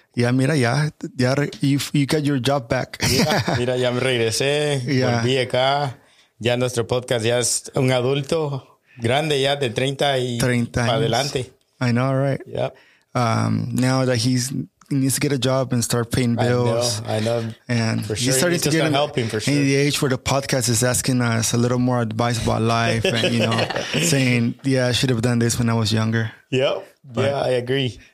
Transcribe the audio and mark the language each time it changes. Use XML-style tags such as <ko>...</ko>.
<es>Ya, mira, ya</es> <en>you got your job back.</en> <es>Mira, ya me regresé, volví acá. Ya nuestro podcast ya es un adulto grande ya de 30 y 30 para adelante.</es> <en>I know, right? Yep. Now that he's needs to get a job and start paying bills. I know. And for sure, he's starting to get helping for sure. In the age where the podcast is asking us a little more advice about life and, you know, saying, yeah, I should have done this when I was younger. Yep. But yeah, I agree.</en>